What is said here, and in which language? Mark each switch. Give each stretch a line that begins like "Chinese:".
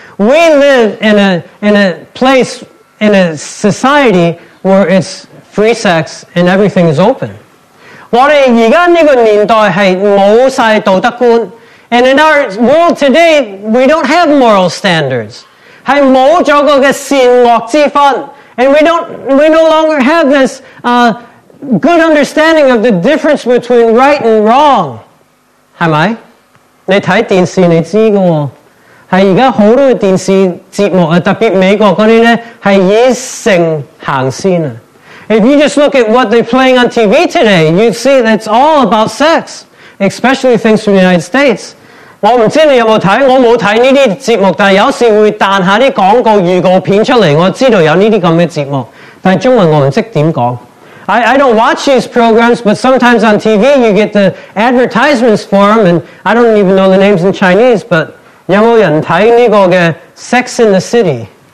English: We live in a place, in a society where it's free sex and everything is open.
Chinese: 我们现在这个年代是没有道德观。
English: And in our world today, we don't have moral standards.
Chinese: 是没有这个善恶之分。
English: And we no longer have this good understanding of the difference between right and wrong.
Chinese: 是吗？你看电视你知道的。是现在很多的电视节目，特别美国那些呢，是以性行先。
English: If you just look at what they're playing on TV today, you'd see that it's all about sex, especially things from the United States.
Chinese: 我不知道你有没有看，我没有看这些节目，但有时会弹下广告预告片出来，我知道有这些节目，但中文我不懂怎么说。
English: I don't watch these programs, but sometimes on TV you get the advertisements for them, and I don't even know the names in Chinese, but
Chinese: 有沒有人看這個
English: Sex in the City?